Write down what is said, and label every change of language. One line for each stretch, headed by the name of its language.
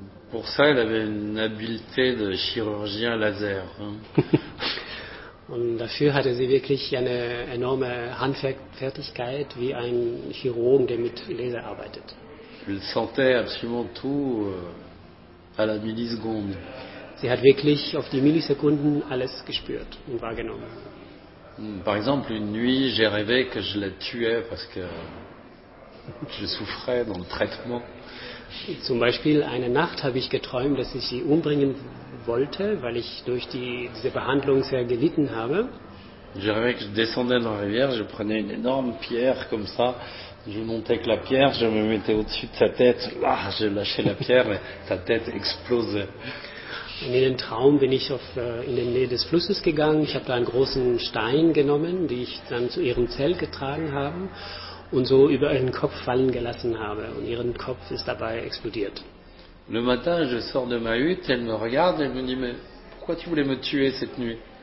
French: Pour ça, elle avait une habileté de chirurgien laser.
German: Und dafür hatte sie wirklich eine enorme Handwerkfertigkeit wie ein Chirurg, der mit Laser arbeitet.
French: Elle sentait absolument tout à la milliseconde.
German: Sie hat wirklich auf die Millisekunden alles gespürt und wahrgenommen.
French: Par exemple, une nuit, j'ai rêvé que je la tuais parce que je souffrais dans le traitement.
German: Zum Beispiel, eine Nacht habe ich geträumt, dass ich sie umbringen wollte, weil ich durch diese Behandlung sehr gelitten habe.
French: J'ai rêvé que je descendais dans la rivière, je prenais une énorme pierre comme ça. Je montais avec la pierre, je me mettais au-dessus de sa tête, là, je lâchais la pierre, sa tête explosait.
German: Und in den Traum bin ich in der Nähe des Flusses gegangen. Ich habe da einen großen Stein genommen, die ich dann zu ihrem Zelt getragen habe und so über ihren Kopf fallen gelassen habe. Und ihren Kopf ist dabei explodiert.
French: Le matin, je sors de ma hutte, elle me regarde, elle me dit, mais pourquoi tu voulais me tuer cette nuit?